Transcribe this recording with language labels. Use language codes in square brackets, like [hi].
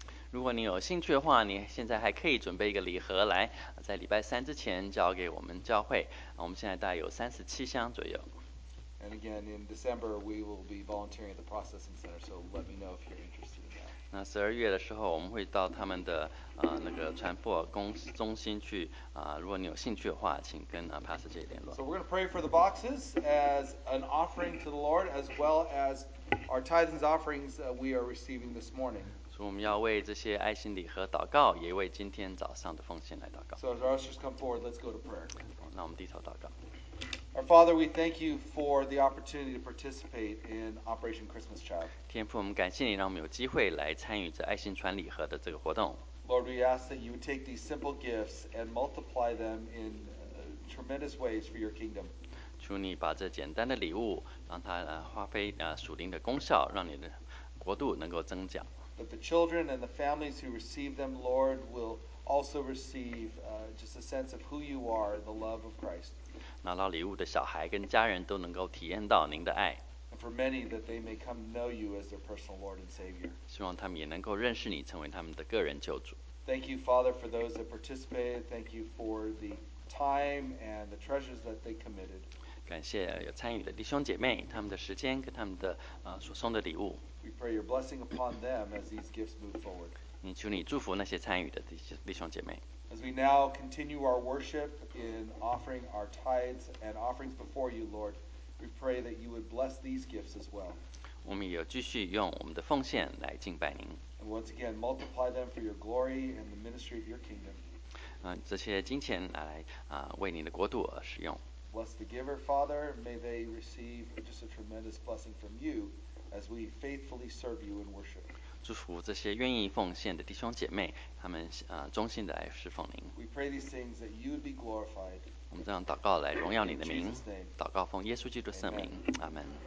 [zh] 如果你有兴趣的话，你现在还可以准备一个礼盒来，在礼拜三之前交给我们教会。我们现在大概有37箱左右。 [en] And again, in December, we will be volunteering at the processing center, so let me know if you're interested in that. [zh] 那十二月的时候，我们会到他们的那个传播中心去如果你有兴趣的话，请跟Pastor Jay联络。 [en] So we're going to pray for the boxes as an offering to the Lord, as well as our tithes and offerings we are receiving this morning. [zh] 所以我们要为这些爱心礼盒祷告，也为今天早上的奉献来祷告。 [en] So as our ushers come forward, let's go to prayer. [zh] 那我们低头祷告。 [en] Our Father, we thank you for the opportunity to participate in Operation Christmas Child. [zh] 天父，我们感谢你，让我们有机会来参与这爱心传礼盒的这个活动。 [en] Lord, we ask that you would take these simple gifts and multiply them in tremendous ways for your kingdom. [zh] 求你把这简单的礼物，让它发挥属灵的功效，让你的国度能够增长。 [en] That the children and the families who receive them, Lord, will also receive just a sense of who you are, the love of Christ. [zh] 拿到礼物的小孩跟家人都能够体验到您的爱。 [en] And for many, that they may come to know you as their personal Lord and Savior. [zh] 希望他们也能够认识你，成为他们的个人救主。 [en] Thank you, Father, for those that participated. Thank you for the time and the treasures that they committed. [zh] 感谢有参与的弟兄姐妹，他们的时间跟他们的所送的礼物。 [en] We pray your blessing upon them as these gifts move forward. [zh] 你求你祝福那些参与的弟兄姐妹。 [en] As we now continue our worship in offering our tithes and offerings before you, Lord, we pray that you would bless these gifts as well. [zh] 我们也继续用我们的奉献来敬拜您。 [en] And once again, multiply them for your glory and the ministry of your kingdom. [zh] 这些金钱来为您的国度而使用。 [en] Bless the giver, Father, may they receive just a tremendous blessing from you as we faithfully serve you in worship. [zh] 祝福这些愿意奉献的弟兄姐妹，他们忠心的来侍奉您。 [en] We pray these things that you would be glorified. [zh] 我们这样祷告来荣耀你的名。 [en] In Jesus' name. [zh] 祷告奉耶稣基督圣名。阿门。